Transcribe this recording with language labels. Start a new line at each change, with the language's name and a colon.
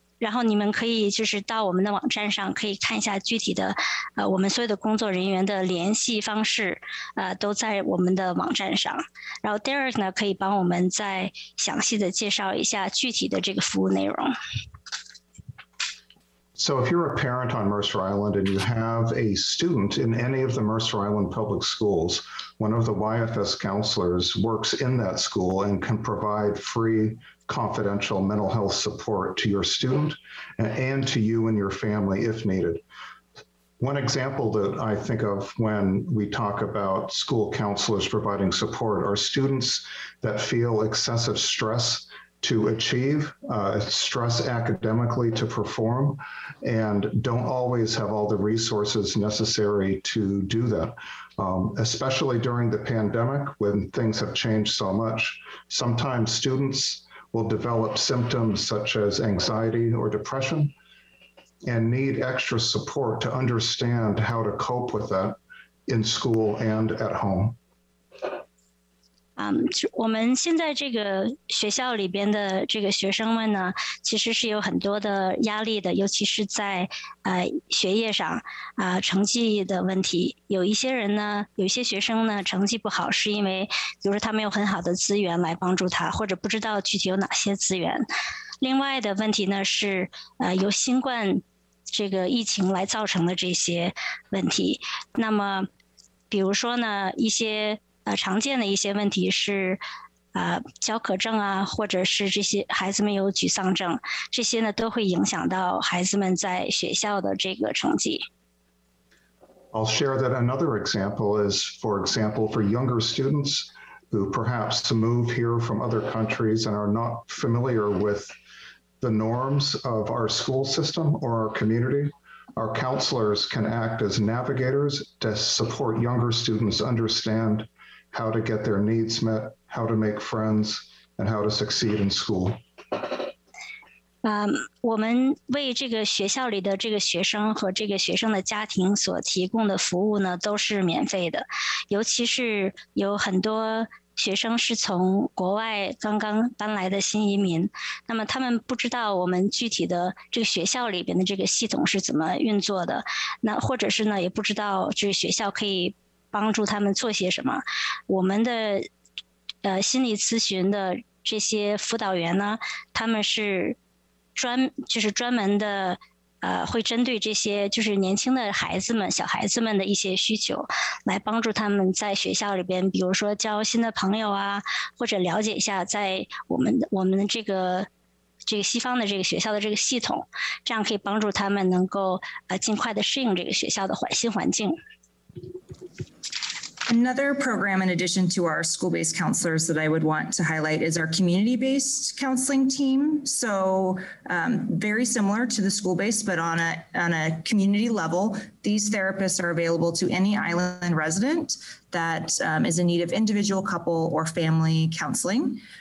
Chinese: 然后你们可以就是到我们的网站上可以看一下具体的我们所有的工作人员的联系方式都在我们的网站上。然后 Derek 呢可以帮我们再详细的介绍一下具体的这个服务内容。
English: So if you're a parent on Mercer Island and you have a student in any of the Mercer Island public schools, one of the YFS counselors works in that school and can provide free confidential mental health support to your student and to you and your family if needed. One example that I think of when we talk about school counselors providing support are students that feel excessive stress to achieve, stress academically to perform, and don't always have all the resources necessary to do that. Especially during the pandemic when things have changed so much, sometimes students will develop symptoms such as anxiety or depression and need extra support to understand how to cope with that in school and at home.
Chinese: 我们现在这个学校里边的这个学生们呢，其实是有很多的压力的，尤其是在学业上成绩的问题。有一些人呢，有一些学生呢，成绩不好是因为，比如说他没有很好的资源来帮助他，或者不知道具体有哪些资源。另外的问题呢是由新冠这个疫情来造成的这些问题。那么，比如说呢，一些常见的一些问题是焦渴症啊，或者是这些孩子们有沮丧症，这些呢都会影响到孩子们在学校的这个成绩。
English: I'll share that another example is, for example, for younger students who perhaps move here from other countries and are not familiar with the norms of our school system or our community, Our counselors can act as navigators to support younger students understand how to get their needs met, how to make friends, and how to succeed in school.
Chinese: 我们为这个学校里的这个学生和这个学生的家庭所提供的服务呢，都是免费的，尤其是有很多学生是从国外刚刚搬来的新移民，那么他们不知道我们具体的这个学校里边的这个系统是怎么运作的，那或者是呢，也不知道就是学校可以帮助他们做些什么。我们的心理咨询的这些辅导员呢，他们是专门的会针对这些就是年轻的孩子们、小孩子们的一些需求，来帮助他们在学校里边，比如说交新的朋友啊，或者了解一下在我们的这个西方的这个学校的这个系统，这样可以帮助他们能够尽快的适应这个学校的新环境。
English: Another program in addition to our school-based counselors that I would want to highlight is our community-based counseling team. So very similar to the school-based, but on a community level, these therapists are available to any island resident that is in need of individual, couple, or family counseling.